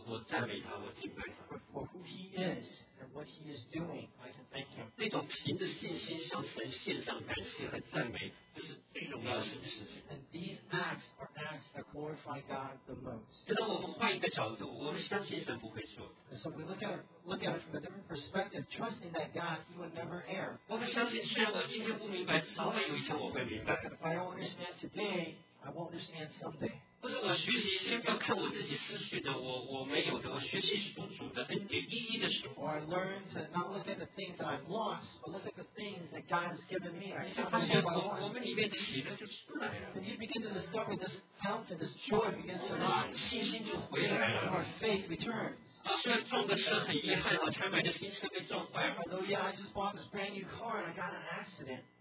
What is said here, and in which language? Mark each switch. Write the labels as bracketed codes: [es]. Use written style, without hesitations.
[en] For who He is and what He is doing, I can thank Him. [zh] 这种凭着信心向神献上感谢和赞美，这是最重要的事情。 [en] And these acts are acts that glorify God the most. [zh] 直到我们换一个角度，我们相信神不会错。 [en] And so we look at it from a different perspective, trusting that God, He would never err. [zh] 我们相信，虽然我今天不明白，早晚有一天我会明白。 [en] If I don't understand today, I won't understand someday. [zh] 不是我学习，先不要看我自己失去的，我没有的，我学习主的恩典，一一的时候。 [en] Or I learn to not look at the things that I've lost, but look at the things that God has given me. [zh] 你就发现我们里面喜乐就出来了。 [en] And you begin to discover this fountain, this joy begins to rise. [zh] 信心就回来了。 [en] Our faith returns. [zh] 虽然撞个车很遗憾，我前面的新车被撞坏了。 [en] I know, yeah, I just bought this brand new car and I got an accident.